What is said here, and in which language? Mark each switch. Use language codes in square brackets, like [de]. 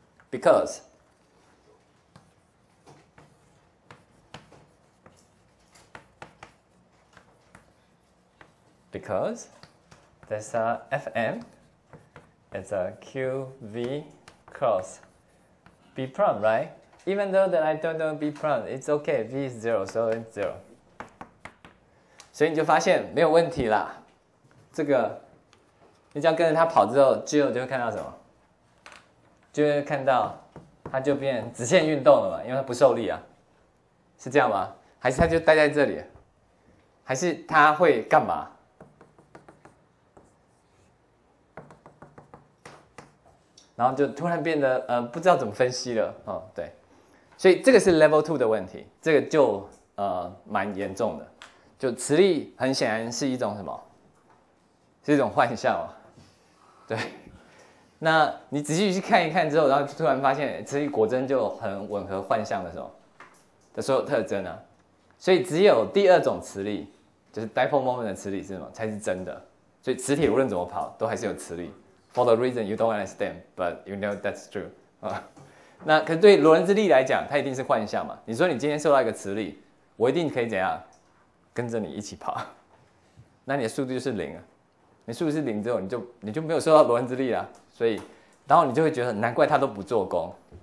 [en] Because there's a Fm, it's a qv cross b prime, right? Even though that I don't know b prime, it's okay, v is zero, so it's zero. [zh] 所以你就发现没有问题啦。这个，你只要跟着它跑之后 ，Jill 就会看到什么？就会看到它就变直线运动了嘛，因为它不受力啊，是这样吗？还是它就待在这里？还是它会干嘛？然后就突然变得不知道怎么分析了，对，所以这个是 level 2的问题，这个就蛮严重的，就磁力很显然是一种什么，是一种幻象，对，那你仔细去看一看之后，然后突然发现磁力果真就很吻合幻象的时候的所有特征啊，所以只有第二种磁力，就是 dipole moment 的磁力是什么才是真的，所以磁铁无论怎么跑都还是有磁力。 [en] For the reason you don't understand, but you know that's true. [zh] 那可是对罗伦兹力来讲，它一定是幻象嘛？你说你今天受到一个磁力，我一定可以怎样跟着你一起跑？那你的速度就是零啊！你速度是零之后，你就没有受到罗伦兹力啦。所以，然后你就会觉得难怪它都不做功。